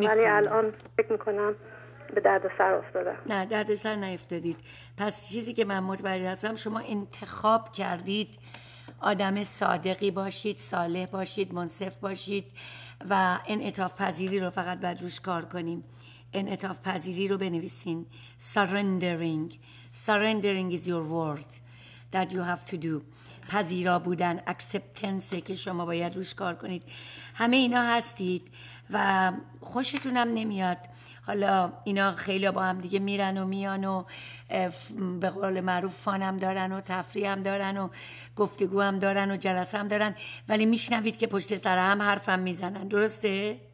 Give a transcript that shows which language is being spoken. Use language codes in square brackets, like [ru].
[fa] ولی الان فکر میکنم به درد سر افتادم. نه، درد سر نیفتادید. پس چیزی که من متوجه هستم، شما انتخاب کردید آدم صادقی باشید، صالح باشید، منصف باشید و انعطاف پذیری رو فقط بعد روش کار کنیم. انعطاف پذیری رو بنویسین. [en] Surrendering. Surrendering is your word that you have to do. [fa] پذیرا بودن، acceptance که شما باید روش کار کنید. همه اینا هستید و خوشتونم نمیاد. حالا اینا خیلی با هم دیگه میرن و میان و به قول معروف فانم دارن و تفریحم دارن و گفتگو هم دارن و جلسه هم دارن، ولی میشنوید که پشت سر هم حرفم میزنن، درسته؟